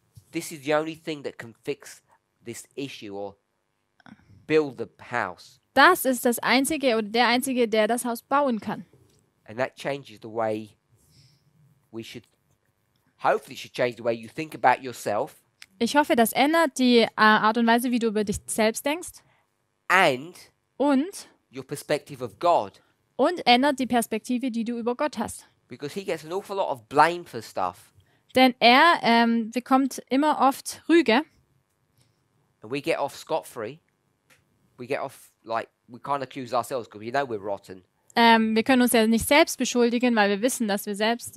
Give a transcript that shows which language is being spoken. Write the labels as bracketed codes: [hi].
[en] This is the only thing that can fix this issue or build the house. [de] Das ist das Einzige oder der Einzige, der das Haus bauen kann. [en] And that changes the way we should. Hopefully, should change the way you think about yourself. [de] Ich hoffe, das ändert die Art und Weise, wie du über dich selbst denkst. [en] And [de] und [en] your perspective of God. [de] Und ändert die Perspektive, die du über Gott hast. [en] Because he gets an awful lot of blame for stuff. [de] Denn er bekommt immer oft Rüge. [en] And we get off scot-free. We get off, like, we can't accuse ourselves because we know we're rotten. [de] Wir können uns ja nicht selbst beschuldigen, weil wir wissen, dass wir selbst